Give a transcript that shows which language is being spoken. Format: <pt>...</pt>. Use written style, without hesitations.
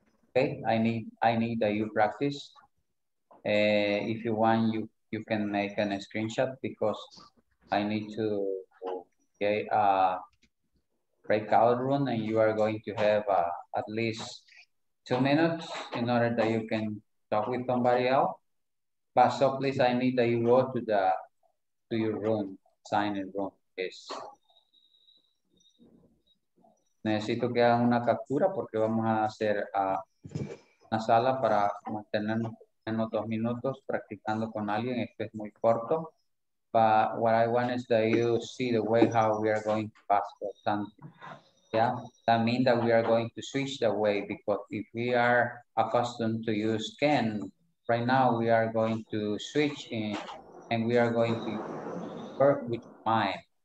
<en>Okay, I need that you practice. If you want, you can make a screenshot because I need to get a breakout room and you are going to have at least 2 minutes in order that you can talk with somebody else. But so please, I need that you go to the to your room, sign in room, please.</en> <es>Necesito que hagan una captura porque vamos a hacer una sala para mantenernos en los 2 minutos practicando con alguien. Esto es muy corto.</es> <en>But what I want is that you see the way how we are going to pass for something. Yeah, that means that we are going to switch the way because if we are accustomed to use can, right now we are going to switch in and we are going to work with mind.</en>